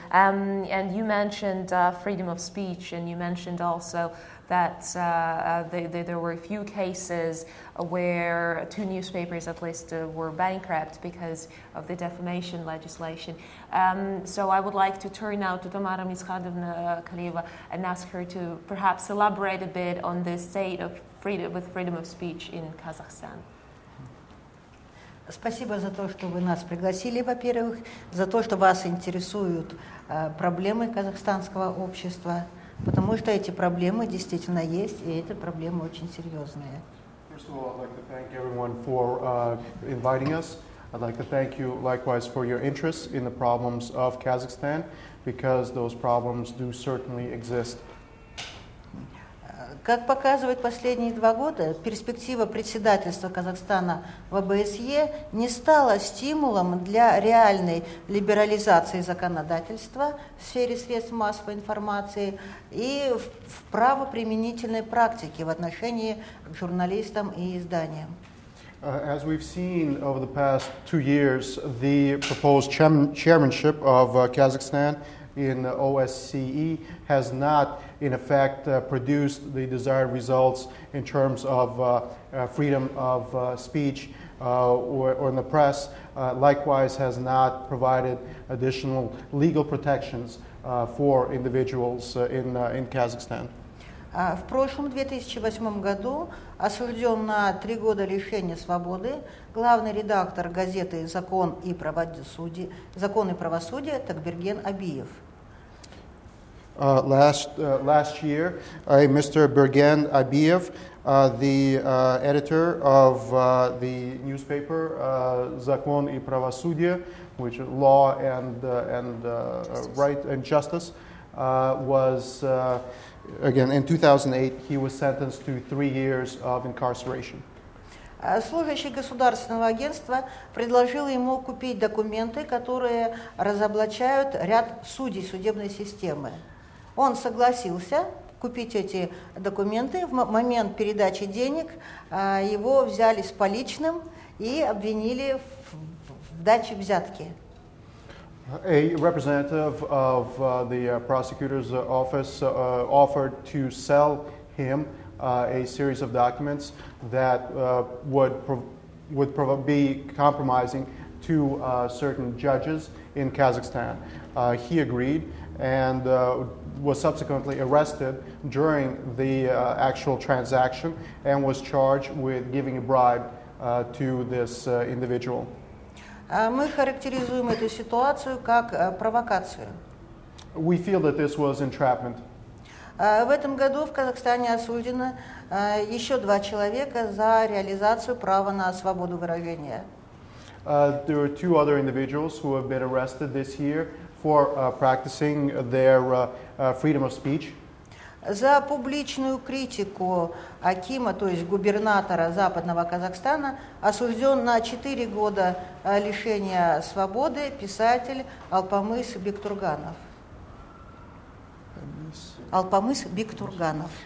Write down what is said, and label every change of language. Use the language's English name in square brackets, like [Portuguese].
[English] And you mentioned freedom of speech, and you mentioned also that there were a few cases where two newspapers at least were bankrupt because of the defamation legislation. So I would like to turn now to Tamara Mitskhadovna Kaleeva and ask her to perhaps elaborate a bit on the state of freedom of speech in Kazakhstan. [Russian] Спасибо за то, что вы нас пригласили, во-первых, за то, что вас интересуют проблемы казахстанского общества, потому что эти проблемы действительно есть, и эти проблемы очень серьезные. [English] First of all, I'd like to thank everyone for inviting us. I'd like to thank you likewise for your interest in the problems of Kazakhstan, because those problems do certainly exist. [Russian] Как показывают последние два года, перспектива председательства Казахстана в ОБСЕ не стала стимулом для реальной либерализации законодательства в сфере средств массовой информации и в правоприменительной практике в отношении к журналистам и изданиям. [English] As we've seen over the past two years, the proposed chairmanship of Kazakhstan in OSCE has not, in effect, produced the desired results in terms of freedom of speech or in the press, likewise has not provided additional legal protections for individuals in Kazakhstan. [Russian] В прошлом 2008 году осужден на три года лишения свободы главный редактор газеты «Закон и правосудие» Такберген Абиев. [English] Last year, Mr. Берген Абиев, the editor of the newspaper «Закон и правосудие», which is law and right and justice, was, again, in 2008, he was sentenced to 3 years of incarceration. [Russian] Служащий государственного агентства предложил ему купить документы, которые разоблачают ряд судей судебной системы. Он согласился купить эти документы. В момент передачи денег его взяли с поличным и обвинили в даче взятки. [English] A representative of the prosecutor's office offered to sell him a series of documents that would be compromising to certain judges in Kazakhstan. He agreed and was subsequently arrested during the actual transaction and was charged with giving a bribe to this individual. [Russian] Мы характеризуем эту ситуацию как провокацию. [English] We feel that this was entrapment. [Russian] В этом году в Казахстане осуждено еще два человека за реализацию права на свободу выражения. [English] There are two other individuals who have been arrested this year for practicing their freedom of speech. [Russian] За публичную критику Акима, то есть губернатора Западного Казахстана, осужден на 4 года лишения свободы писатель Алпамыс Бектурганов. Алпамыс Бектурганов.